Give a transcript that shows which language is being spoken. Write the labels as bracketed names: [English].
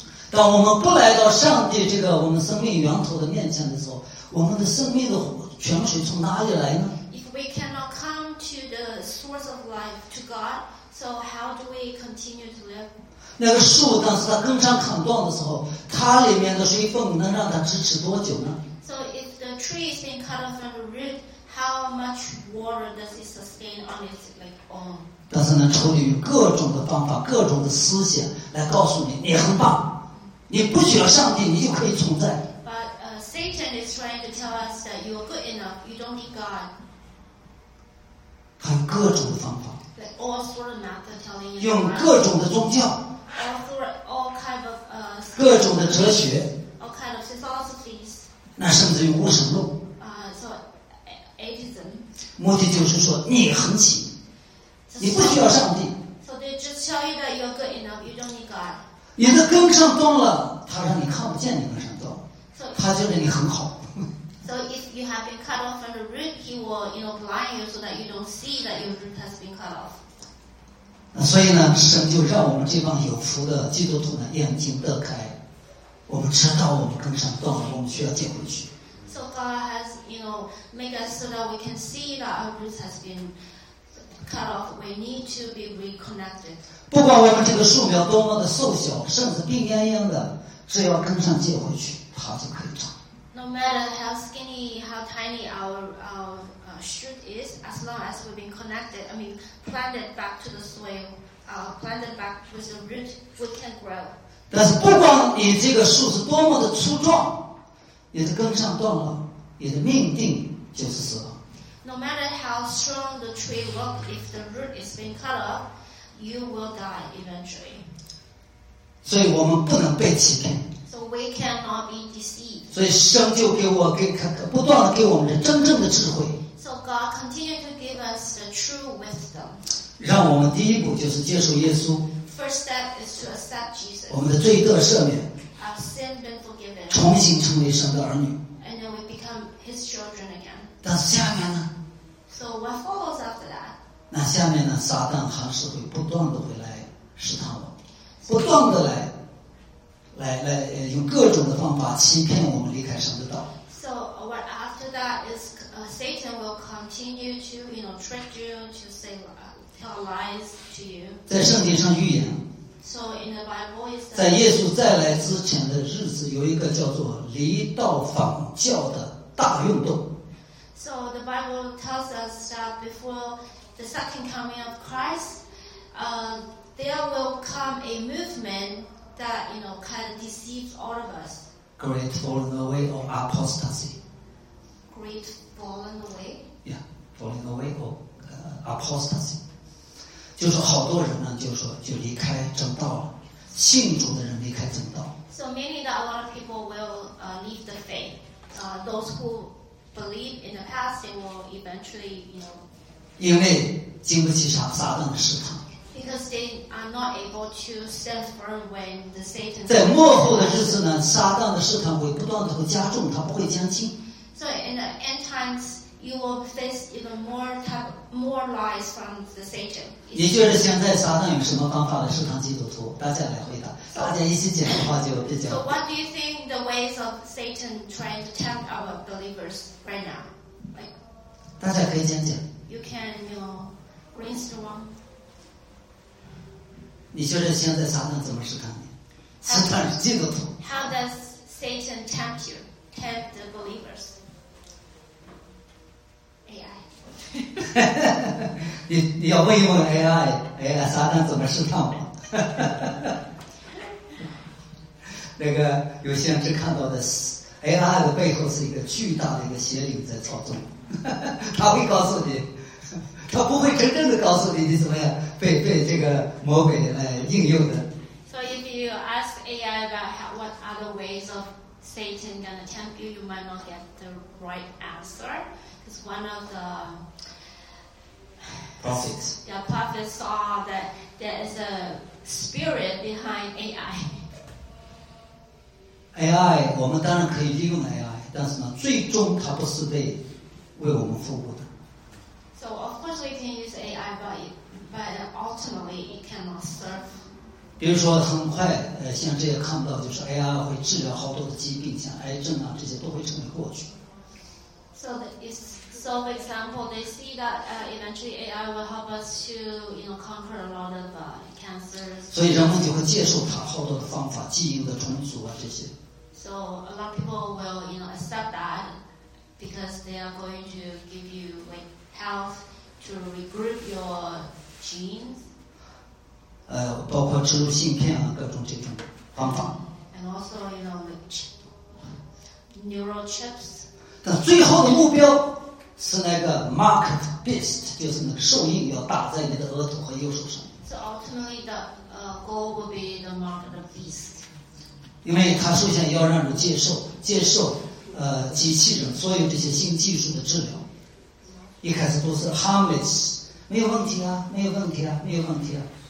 [Chinese] 当我们不来到上帝这个我们生命源头的面前的时候，我们的生命的泉水从哪里来呢？ [English] If we cannot come to the source of life, to God, so how do we continue to live? [Chinese] 那个树当时它根上砍断的时候，它里面的水分能让它支持多久呢？ [English] So if the tree is being cut off from the root, how much water does it sustain on its own? [Chinese] 但是呢，仇敌用各种的方法、各种的思想来告诉你，你很棒，你不需要上帝，你就可以存在。 [English] But Satan is trying to tell us that you are good enough, you don't need God. [Chinese] 还有各种的方法。 [English] Like all sorts of methods telling you. [Chinese] 用各种的宗教。 [English] All kind of [Chinese] 各种的哲学。 [English] All kind of philosophies. [Chinese] 那甚至用无神论。 [English] So atheism. [Chinese] 目的就是说你很行。你不需要上帝。 [English] So they just tell you that you're good enough, you don't need God. [Chinese] 你的根上断了，他让你看不见你根上断。 [English] So, [Chinese] 他觉得你很好。 [English] So if you have been cut off from the root, he will, you know, blind you so that you don't see that your root has been cut off. [Chinese] 所以呢，神就让我们这帮有福的基督徒呢，眼睛得开，我们知道我们根上断了，我们需要捡回去。 [English] So God has, you know, made us so that we can see that our root has been. Cut off. We need to be reconnected. [Chinese] 不管我们这个树苗多么的瘦小，甚至病恹恹的，只要根上接回去，它就可以长。 [English] No matter how skinny, how tiny our shoot is, as long as we've been connected, I mean, planted back to the soil, planted back with the root, we can grow. [Chinese] 但是不管你这个树是多么的粗壮，你的根上断了，你的命定就是死亡。 [English] No matter how strong the tree looks, if the root is being cut off, you will die eventually. [Chinese] 所以我们不能被欺骗。 [English] So we cannot be deceived. [Chinese] 所以神就不断地给我们真正的智慧。 [English] So God continues to give us the true wisdom. [Chinese] 让我们第一步就是接受耶稣。 [English] First step is to accept Jesus. [Chinese] 我们的罪得赦免。 [English] Our sin been forgiven. [Chinese] 重新成为神的儿女。 [English] And then we become His children again. [Chinese] 但是下面呢 [English] ？So what follows after that？ [Chinese] 那下面呢？撒旦还是会不断的回来试探我，不断的来用各种的方法欺骗我们离开神的道。 [English] So what after that is Satan will continue to you know trick you to say tell lies to you。 [Chinese] 在圣经上预言。 [English] So in the Bible is [Chinese] 在耶稣再来之前的日子，有一个叫做离道仿教的大运动。 [English] So the Bible tells us that before the second coming of Christ, there will come a movement that you know kind of deceives all of us. Great falling away or apostasy. Great falling away. Yeah, falling away or apostasy. [Chinese] 就是好多人呢，就说就离开正道了，信主的人离开正道。 [English] So meaning that a lot of people will leave the faith. Those who believe in the past, they will eventually, you know. [Chinese] 因为经不起撒旦的试探。 [English] Because they are not able to stand firm when the Satan. [Chinese] 在末后的日子呢，撒旦的试探会不断的会加重，他不会减轻。 [English] So in the end times, you will face even more lies from the Satan. [Chinese] 也就是现在撒旦有什么方法来试探基督徒？大家来回答，大家一起讲的话就比较。 [English] So what do you think the ways of Satan trying to tempt our believers? Right now, like, [Chinese] 大家可以讲讲。 [English] You can, you know, brainstorm. [Chinese] 你觉得现在撒旦怎么试探你？试探基督徒。 [English] How does Satan tempt you? Tempt the believers? AI. [Chinese] 你要问一问 AI， 哎呀，撒旦怎么试探我？那个有些人只看到的是。AI 的背后是一个巨大的一个邪灵在操纵，他会告诉你，他不会真正的告诉你你怎么样被这个魔鬼来应用的。 [English] So if you ask AI about what other ways of Satan gonna tempt you, you might not get the right answer. Because one of the prophets, the prophets saw that there is a spirit behind AI. [Chinese] AI， 我们当然可以利用 AI， 但是呢，最终它不是被为我们服务的。 [English] So of course we can use AI, but ultimately it cannot serve. [Chinese] 比如说，很快，像这些看不到，就是 AI 会治疗好多的疾病，像癌症啊这些都会成为过去。 [English] So for example, they see that eventually AI will help us to, you know, conquer a lot of cancers. [Chinese] 所以人们就会接受它好多的方法，基因的重组啊这些。 [English] So a lot of people will, you know, accept that because they are going to give you like health to regroup your genes. [Chinese] 包括植入芯片啊，各种这种方法。 [English] And also, you know, like neural chips. [Chinese] 但最后的目标。是那个 [English] marked beast， [Chinese] 就是那个兽印要打在你的额头和右手上。 [English] So ultimately, the goal will be the marked beast. [Chinese] 因为它首先要让人接受机器人所有这些新技术的治疗。一开始都是 harmless， 没有问题啊，没有问题啊，没有问题啊。